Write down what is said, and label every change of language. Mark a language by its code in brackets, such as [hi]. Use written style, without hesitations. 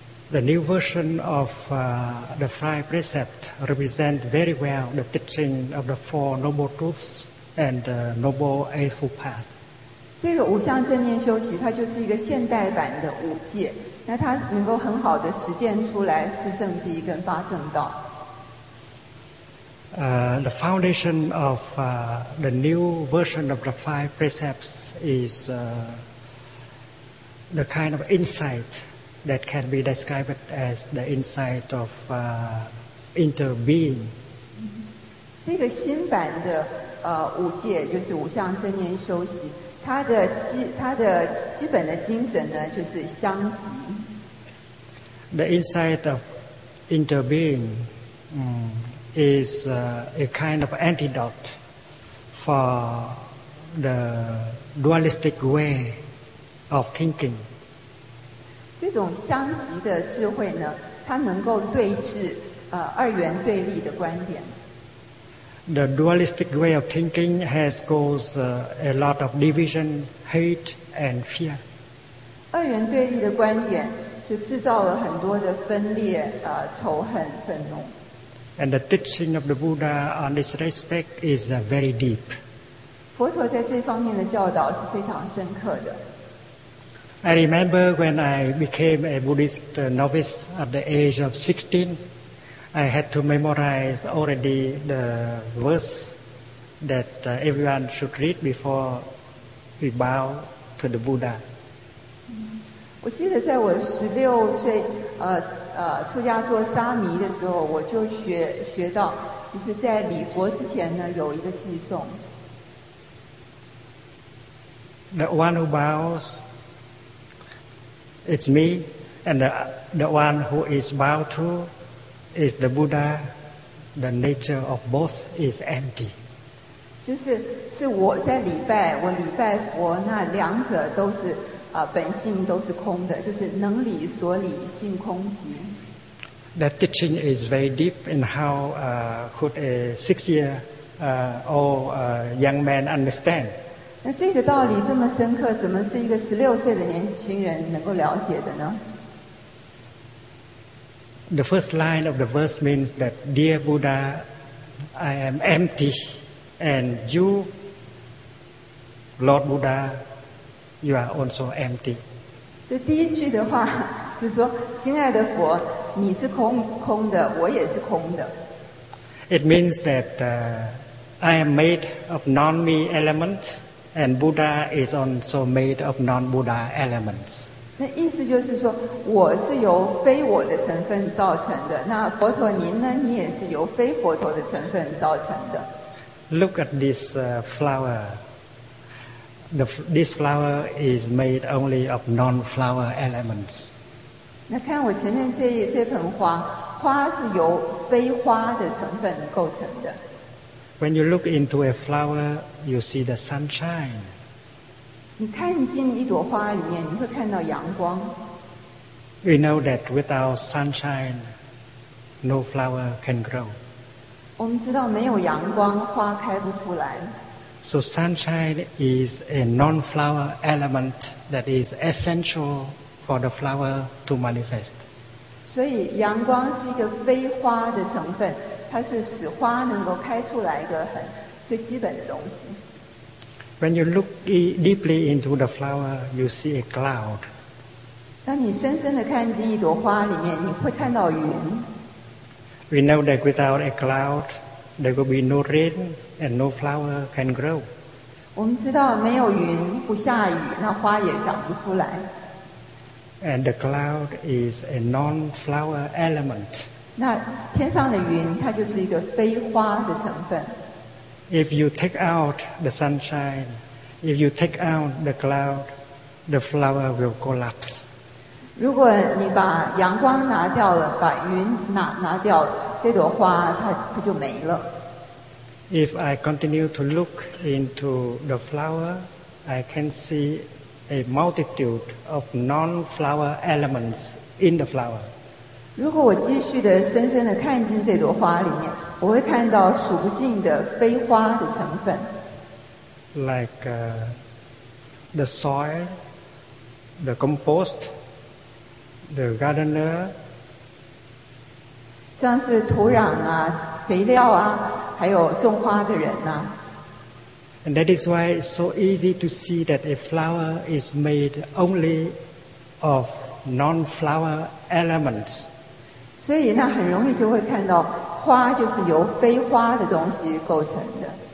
[en] The new version of the five precepts represent very well the teaching of the Four Noble Truths and the Noble Eightfold Path. [zh] 这个五项正念修习，它就是一个现代版的五戒。那他能够很好的实践出来四圣谛跟八正道。 [en] The foundation of the new version of the five precepts is the kind of insight that can be described as the insight of interbeing. [zh] 这个新版的五戒就是五项真言修习，它的基本的精神呢就是相即。 [en] The insight of interbeing. Is a kind of antidote for the dualistic way of thinking. [zh] 这种相即的智慧呢，它能够对治二元对立的观点。 [en] The dualistic way of thinking has caused a lot of division, hate, and fear. [zh] 二元对立的观点就制造了很多的分裂、仇恨、愤怒。 [en] And the teaching of the Buddha on this respect is very deep. [zh] 佛陀在这方面的教导是非常深刻的。 [en] I remember when I became a Buddhist novice at the age of 16, I had to memorize already the verse that everyone should read before we bow to the Buddha. [zh] 我记得在我16岁出家做沙弥的时候，我就学到，就是在礼佛之前呢，有一个偈颂。 [en] The one who bows, it's me, and the one who is bowed to, is the Buddha. The nature of both is empty. [zh] 就是我在礼拜，我礼拜佛，那两者都是。本性都是空的，就是能理所理，性空寂。 [en] That teaching is very deep in how could a six-year-old young man understand. [zh] 那这个道理这么深刻，怎么是一个十六岁的年轻人能够了解的呢？ [en] The first line of the verse means that, Dear Buddha, I am empty, and you, Lord Buddha,You are also empty. [zh] 这第一句的话是说，亲爱的佛，你是空的，我也是空的。 [en] It means that I am made of non-me element, and Buddha is also made of non-Buddha elements. [zh] 那意思就是说，我是由非我的成分造成的。那佛陀您呢？你也是由非佛陀的成分造成的。 [en] Look at this flower. This flower is made only of non-flower elements. [zh] 那看我前面这盆花，花是由非花的成分构成的。 [en] When you look into a flower, you see the sunshine. [zh] 你看进一朵花里面，你会看到阳光。 [en] We know that without sunshine, no flower can grow. [zh] 我们知道没有阳光，花开不出来。 [en] So sunshine is a non-flower element that is essential for the flower to manifest. [zh] 所以阳光是一个非花的成分，它是使花能够开出来一个很最基本的东西。 [en] When you look deeply into the flower, you see a cloud. [zh] 当你深深地看进一朵花里面，你会看到云。 [en] We know that without a cloud, there will be no rain. And no flower can grow. [zh] 我们知道没有云不下雨，那花也长不出来。 [en] And the cloud is a non-flower element. [zh] 那天上的云它就是一个非花的成分。 [en] If you take out the sunshine, if you take out the cloud, the flower will collapse. [zh] 如果你把阳光拿掉了，把云拿掉了，这朵花它就没了。 [en] If I continue to look into the flower, I can see a multitude of non-flower elements in the flower. [zh] 如果我继续的深深的看进这朵花里面，我会看到数不尽的非花的成分。 [en] Like the soil, the compost, the gardener. [zh] 像是土壤啊，肥料啊。还有种花的人呢。 [en] And that is why it's so easy to see that a flower is made only of non-flower elements. [zh] 所以那很容易就会看到花就是由非花的东西构成的。